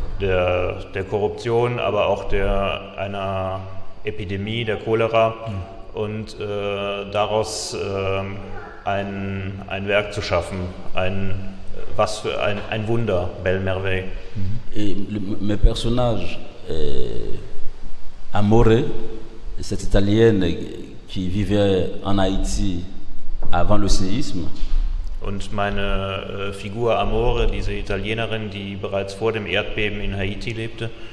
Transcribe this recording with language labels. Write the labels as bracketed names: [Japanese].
[German] Der Korruption, aber auch einer Epidemie, der Cholera. Und daraus ein Werk zu schaffen, ein Wunder, Belle Merveille. [French] Et mes personnages, Amore, cette Italienne qui vivait en Haïti avant le séisme. [German] Und meine Figur Amore, diese Italienerin, die bereits vor dem Erdbeben in Haiti lebte.